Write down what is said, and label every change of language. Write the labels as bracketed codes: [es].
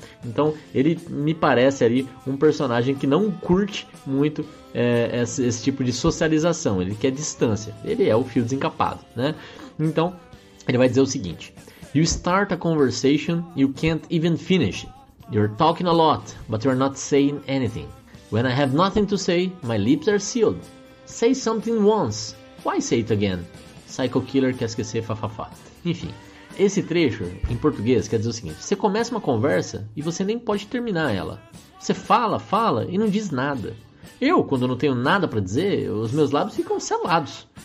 [pt] Então, ele me parece ali um personagem que não curte muito esse tipo de socialização. Ele quer distância. Ele é o fio desencapado, né? Então, ele vai dizer o seguinte: [en] "You start a conversation, you can't even finish. You're talking a lot, but you're not saying anything. When I have nothing to say, my lips are sealed. Say something once. Why say it again? Psycho killer quer esquecer, fa-fa-fa." [pt] Enfim. Esse trecho em português quer dizer o seguinte: você começa uma conversa e você nem pode terminar ela. Você fala, fala e não diz nada. Eu, quando não tenho nada para dizer, os meus lábios ficam selados.